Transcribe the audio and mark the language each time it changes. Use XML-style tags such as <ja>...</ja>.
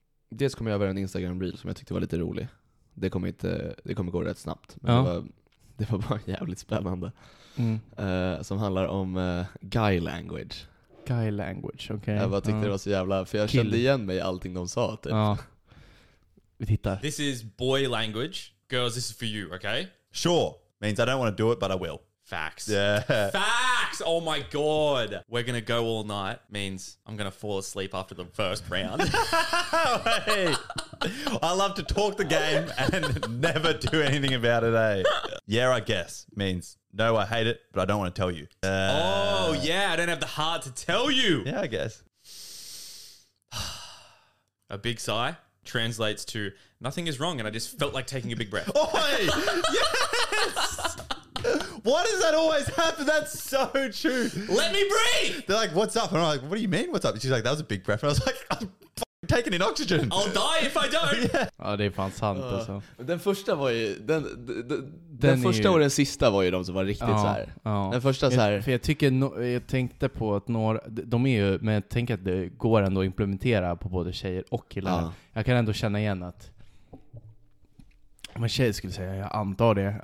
<sv>dels kommer jag göra en Instagram-reel som jag tyckte var lite rolig. Det kommer gå rätt snabbt. Men ja. det, var, Det var bara jävligt spännande. Som handlar om guy language. Guy language, okej. Okay. Jag bara tyckte det var så jävla, för jag kände igen mig i allting de sa. Typ. Vi tittar.</sv> <en>This is boy language. Girls, this is for you, okay? Sure. Means I don't want to do it, but I will. Facts. Yeah. Facts! Oh my god. We're gonna go all night. Means I'm gonna fall asleep after the first round. Hey. I love to talk the game and never do anything about it, eh? Yeah, I guess. Means no, I hate it, but I don't want to tell you. Oh, yeah. I don't have the heart to tell you. Yeah, I guess. A big sigh translates to nothing is wrong and I just felt like taking a big breath. Oi! Yes! Why does that always happen? That's so true. Let me breathe! They're like, what's up? And I'm like, what do you mean, what's up? And she's like, that was a big breath. And I was like, I'm taking in oxygen. I'll die if I don't.</en> <sv>Ja, det är fan sant alltså. Den första var ju... Den första och den sista var ju de som var riktigt så här. Den första så här... För jag tycker, jag tänkte på att några... De är ju... Men jag tänker att det går ändå att implementera på både tjejer och killar. Jag kan ändå känna igen att... Men tjejer skulle säga, jag antar det.</sv>